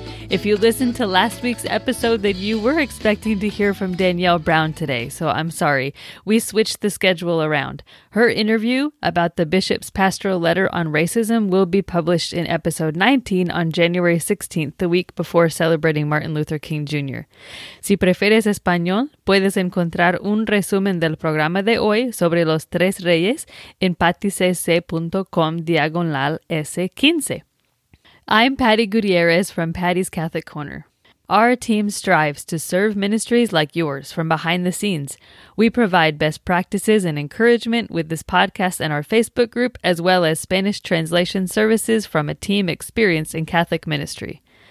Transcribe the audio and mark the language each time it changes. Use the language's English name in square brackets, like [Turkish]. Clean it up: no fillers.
[English] If you listened to last week's episode, then you were expecting to hear from Danielle Brown today, so I'm sorry. We switched the schedule around. Her interview about the bishop's pastoral letter on racism will be published in episode 19 on January 16th, the week before celebrating Martin Luther King Jr. [Spanish] Si prefieres español, puedes encontrar un resumen del programa de hoy sobre los tres reyes en patticc.com/s15. [English] I'm Patti Gutierrez from Patti's Catholic Corner. Our team strives to serve ministries like yours from behind the scenes. We provide best practices and encouragement with this podcast and our Facebook group, as well as Spanish translation services from a team experienced in Catholic ministry.